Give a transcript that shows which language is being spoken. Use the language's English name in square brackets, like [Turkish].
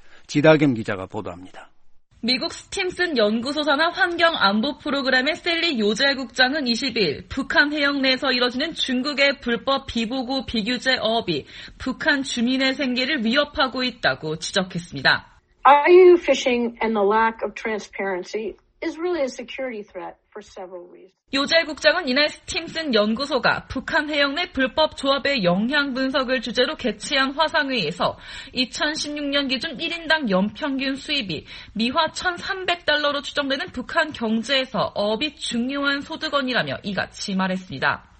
[Korean] 지다겸 기자가 보도합니다. 미국 스팀슨 연구소 산하 환경 안보 프로그램의 셀리 요젤 국장은 20일 북한 해역 내에서 이뤄지는 중국의 불법 비보고 비규제 어업이 북한 주민의 생계를 위협하고 있다고 지적했습니다. [English] IU fishing and the lack of transparency is really a security threat. [Korean] 요젤 국장은 이날 스팀슨 연구소가 북한 해역 내 불법 조업의 영향 분석을 주제로 개최한 화상회의에서 2016년 기준 1인당 연평균 수입이 미화 1,300달러로 추정되는 북한 경제에서 어업이 중요한 소득원이라며 이같이 말했습니다.